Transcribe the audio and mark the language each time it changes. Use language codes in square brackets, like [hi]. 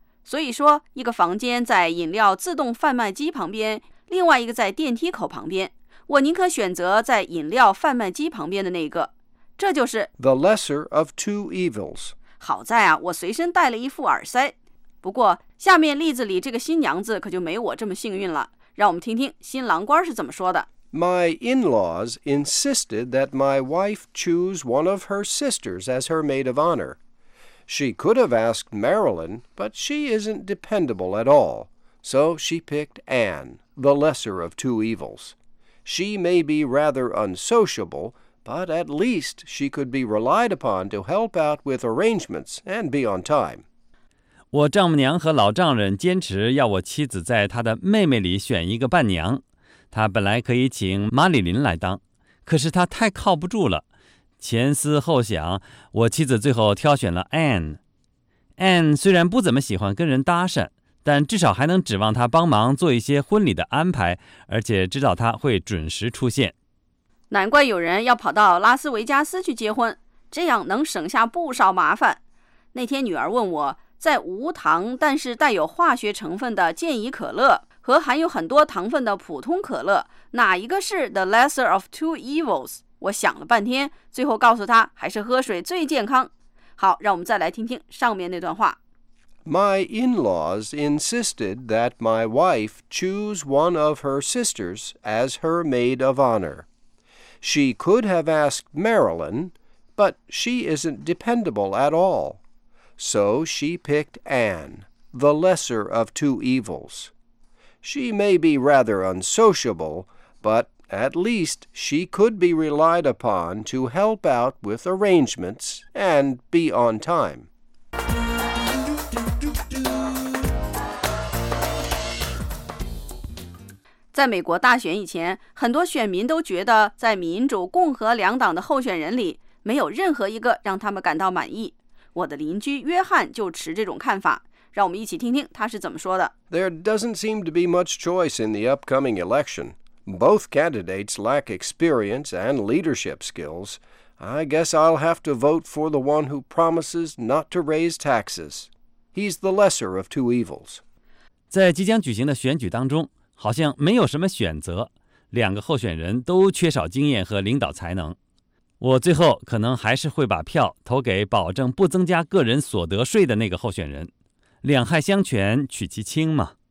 [zh] 所以说一个房间在饮料自动贩卖机旁边另外一个在电梯口旁边。我宁可选择在饮料贩卖机旁边的那个。这就是 [en] The lesser of two evils. [zh] 好在啊我随身带了一副耳塞。不过下面例子里这个新娘子可就没我这么幸运了。让我们听听新郎官是怎么说的。 [en] My in-laws insisted that my wife choose one of her sisters as her maid of honor. She could have asked Marilyn, but she isn't dependable at all. So she picked Anne, the lesser of two evils. She may be rather unsociable, but at least she could be relied upon to help out with arrangements and be on time. [zh] 我丈母娘和老丈人坚持要我妻子在她的妹妹里选一个伴娘，她本来可以请玛丽琳来当，可是她太靠不住了。前思后想，我妻子最后挑选了 Anne。 Anne 虽然不怎么喜欢跟人搭讪，但至少还能指望她帮忙做一些婚礼的安排，而且知道她会准时出现。难怪有人要跑到拉斯维加斯去结婚，这样能省下不少麻烦。那天女儿问我在无糖但是带有化学成分的健怡可乐和含有很多糖分的普通可乐哪一个是 [en] the lesser of two evils [zh] 我想了半天最后告诉他还是喝水最健康好让我们再来听听上面那段话 [en] My in-laws insisted that my wife choose one of her sisters as her maid of honor She could have asked Marilyn but she isn't dependable at allSo she picked Anne, the lesser of two evils. She may be rather unsociable, but at least she could be relied upon to help out with arrangements and be on time. [zh] 在美国大选以前，很多选民都觉得在民主、共和两党的候选人里，没有任何一个让他们感到满意。我的邻居约翰就持这种看法，让我们一起听听他是怎么说的。 [en] There doesn't seem to be much choice in the upcoming election. Both candidates lack experience and leadership skills. I guess I'll have to vote for the one who promises not to raise taxes. He's the lesser of two evils. [zh] 在即将举行的选举当中，好像没有什么选择，两个候选人都缺少经验和领导才能。我最后可能还是会把票投给保证不增加个人所得税的那个候选人。两害相权取其轻嘛。